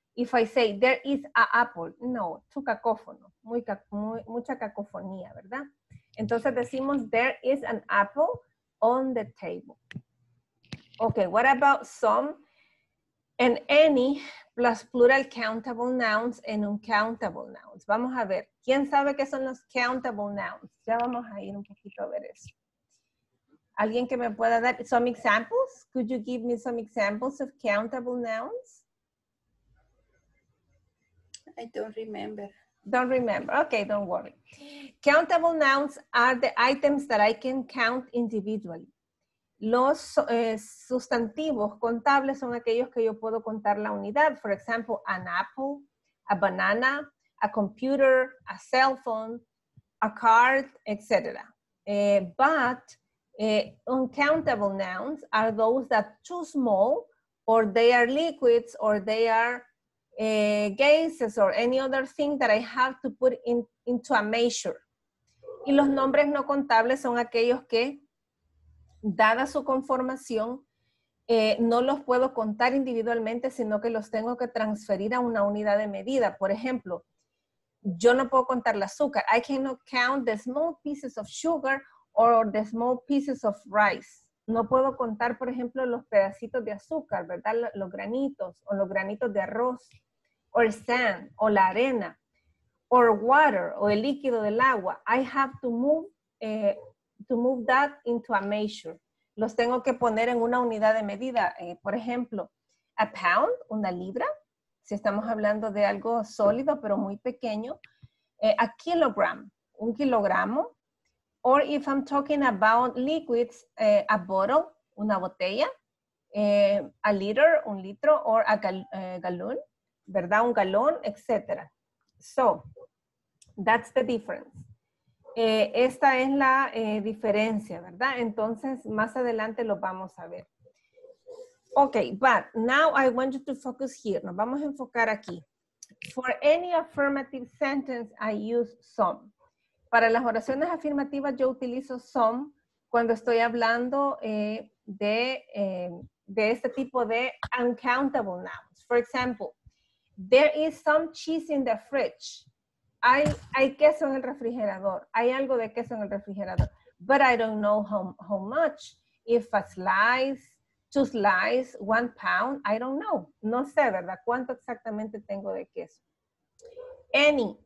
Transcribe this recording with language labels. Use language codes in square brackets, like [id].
[en] If I say, there is a apple, no, [es] tu cacófono, mucha cacofonía, ¿verdad? Entonces decimos, [en] there is an apple on the table. Okay, what about some and any plus plural countable nouns and uncountable nouns? [es] Vamos a ver, ¿quién sabe qué son los countable nouns? Ya vamos a ir un poquito a ver eso. ¿Alguien que me pueda dar [en] some examples? Could you give me some examples of countable nouns? I don't remember. Don't remember. Okay, don't worry. Countable nouns are the items that I can count individually. [es] Los sustantivos contables son aquellos que yo puedo contar la unidad. [en] For example, an apple, a banana, a computer, a cell phone, a card, etc. But uncountable nouns are those that are too small, or they are liquids, or they are gases or any other thing that I have to put into a measure. [es] Y los nombres no contables son aquellos que, dada su conformación, no los puedo contar individualmente, sino que los tengo que transferir a una unidad de medida. Por ejemplo, yo no puedo contar el azúcar. [en] I cannot count the small pieces of sugar or the small pieces of rice. [es] No puedo contar, por ejemplo, los pedacitos de azúcar, ¿verdad? Los granitos o los granitos de arroz. [en] Or sand, [es] o la arena, [en] or water, [es] o el líquido del agua. [en] I have to move that into a measure. [es] Los tengo que poner en una unidad de medida. Por ejemplo, [en] a pound, [es] una libra, si estamos hablando de algo sólido, pero muy pequeño. [en] A kilogram, [es] un kilogramo. [en] Or if I'm talking about liquids, a bottle, [es] una botella. [en] A liter, [es] un litro, [en] or a galloon. [es] ¿Verdad? Un galón, etcétera. [en] So, that's the difference. [es] Esta es la diferencia, ¿verdad? Entonces, más adelante lo vamos a ver. [en] Okay, but now I want you to focus here. [es] Nos vamos a enfocar aquí. [en] For any affirmative sentence, I use some. [es] Para las oraciones afirmativas, yo utilizo some cuando estoy hablando de este tipo de uncountable nouns. [en] For example, there is some cheese in the fridge. [es] Hay queso en el refrigerador. Hay algo de queso en el refrigerador. [en] But I don't know how much. If a slice, two slices, 1 pound, I don't know. [es] No sé, ¿verdad? ¿Cuánto exactamente tengo de queso? Any.